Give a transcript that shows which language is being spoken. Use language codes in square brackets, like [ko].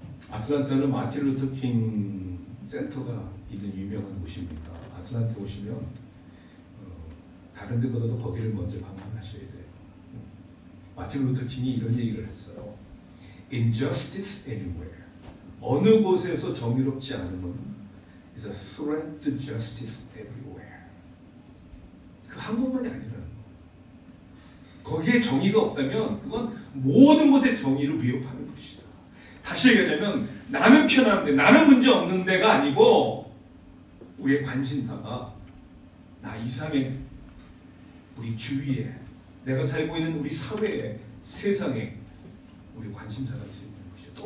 [ko] 아틀란타는 마틴 루터 킹 센터가 있는 유명한 곳입니다. 아틀란타 오시면 다른 데보다도 거기를 먼저 방문하셔야 돼요. 마틴 루터 킹이 이런 얘기를 했어요. [en] Injustice anywhere. [ko] 어느 곳에서 정의롭지 않으면 [en] is a threat to justice everywhere. [ko] 그 한 곳만이 아니라는 거. 거기에 정의가 없다면 그건 모든 곳에 정의를 위협하는 것이다. 다시 얘기하자면 나는 편한데 나는 문제 없는 데가 아니고 우리의 관심사가 나 이상의 우리 주위에 내가 살고 있는 우리 사회에 세상에 우리 관심사가 있는 것이다.